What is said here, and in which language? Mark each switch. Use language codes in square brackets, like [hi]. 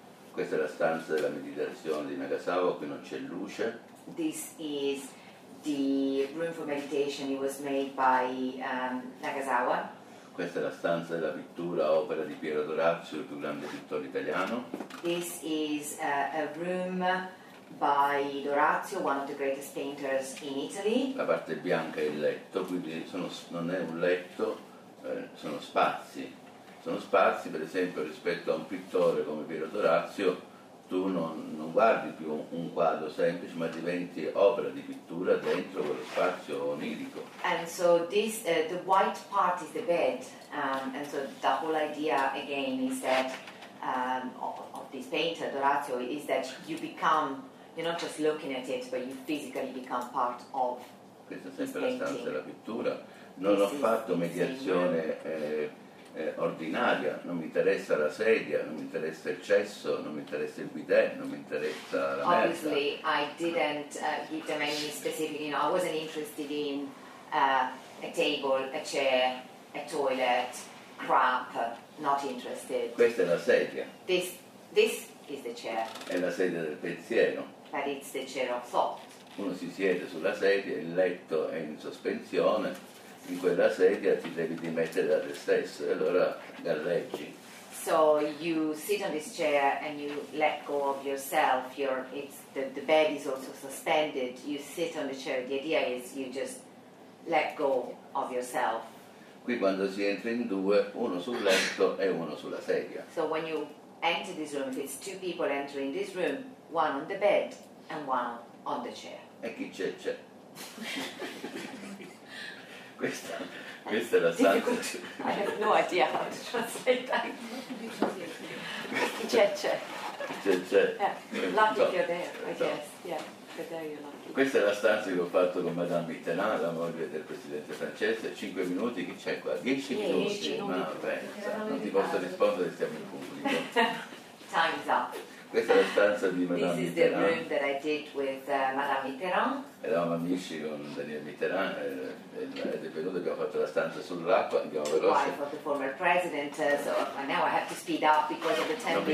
[it] Questa è la stanza della meditazione di Nagasawa, qui non c'è luce. [en] This is the room for meditation. It was made by Nagasawa. [it] Questa è la stanza della pittura, opera di Piero D'Orazio, il più grande pittore italiano. [en] This is a room by D'Orazio, one of the greatest painters in Italy. [it] La parte bianca è il letto, quindi non è un letto, sono spazi. Sono spazi, per esempio, rispetto a un pittore come Piero D'Orazio, tu non guardi più un quadro semplice, ma diventi opera di pittura dentro quello spazio onirico. [en] And so this, the white part is the bed, and so the whole idea again is that of this painter D'Orazio is that you become, you're not just looking at it, but you physically become part of. [it] Questa è sempre la stanza della pittura. Non ho fatto mediazione. Ordinaria, non mi interessa la sedia, non mi interessa il cesso, non mi interessa il bidet, non mi interessa la merda. [en] Obviously, I didn't give them any specific, you know, I wasn't interested in a table, a chair, a toilet, crap, not interested. [it] Questa è la sedia. [en] This is the chair. [it] È la sedia del pensiero. [en] But it's the chair of thought. [it] Uno si siede sulla sedia, il letto è in sospensione. In quella sedia ti devi dimettere da te stesso e allora galleggi. [en] So you sit on this chair and you let go of yourself. The bed is also suspended. You sit on the chair. The idea is you just let go of yourself. [it] Qui quando si entra in due, uno sul letto e uno sulla sedia. [en] So when you enter this room, if it's two people entering this room, one on the bed and one on the chair. [it] E chi c'è? Questa è la stanza. [en] I have no idea how to translate that. C'è. Lucky you're there, I guess. Yeah, but there you're lucky. [it] Questa è la stanza che ho fatto con Madame Mitterrand, la moglie del presidente francese. 5 minuti, chi c'è qua? 10 minuti? Dieci, ma pensa, non ti posso rispondere, stiamo in pubblico. [en] Time's up. [it] Questa è la stanza di Madame [en] This [it] Mitterrand. [en] This is the room that I did with Madame Mitterrand. [it] Eravamo amici con Daniel Mitterrand, ed è venuto, abbiamo fatto la stanza sull'acqua, andiamo veloce. [en] Wife of the former president, so now I have to speed up because of the 10